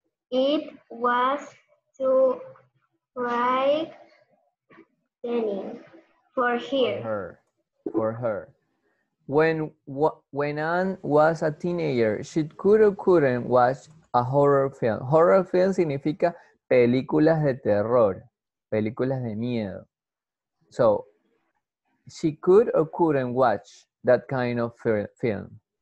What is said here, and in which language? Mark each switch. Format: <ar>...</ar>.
<en>It was to write Danny for her. When Anne was a teenager, she could or couldn't watch a horror film.</en> <es>Horror film significa películas de terror, películas de miedo.</es> <en>So, she could or couldn't watch that kind of film.</en>